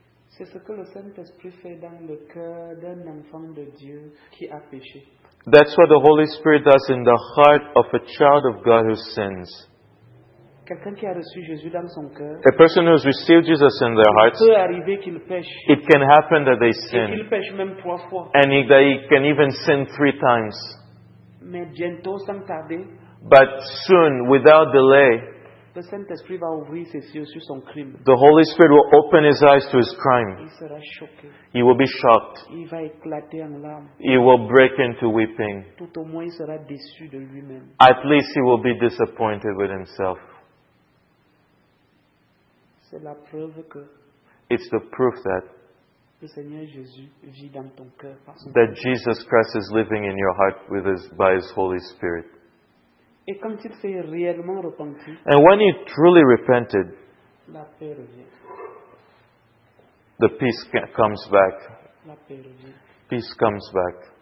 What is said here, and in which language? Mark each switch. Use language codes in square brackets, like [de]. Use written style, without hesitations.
[fr] C'est ce que le Saint-Esprit fait dans le cœur d'un enfant de Dieu qui a péché. [en] That's what the Holy Spirit does in the heart of a child of God who sins. [fr] Quelqu'un qui a reçu Jésus dans son cœur, [en] a person who has received Jesus in their hearts, [fr] peut arriver qu'il pêche, [en] it can happen that they sin. [fr] Et qu'il pêche même trois fois. [en] And that he can even sin three times. [fr] Mais bientôt, sans tarder, [en] but soon, without delay, [fr] le Saint-Esprit va ouvrir ses yeux sur son crime. [en] The Holy Spirit will open his eyes to his crime. [fr] Il sera choqué. [en] He will be shocked. [fr] Il va éclater en larmes. [en] He will break into weeping. [fr] Tout au moins, il sera déçu de lui-même. [en] At least he will be disappointed with himself. [fr] C'est la preuve que [en] it's the proof that [fr] le Seigneur Jésus vit dans ton cœur par son [en] that Jesus Christ is living in your heart with his, by His Holy Spirit. [fr] Et quand il s'est réellement repenti, [en] and when he truly repented, [fr] la paix revient. [en] The peace comes back. [fr] La paix revient. [en] Peace comes back.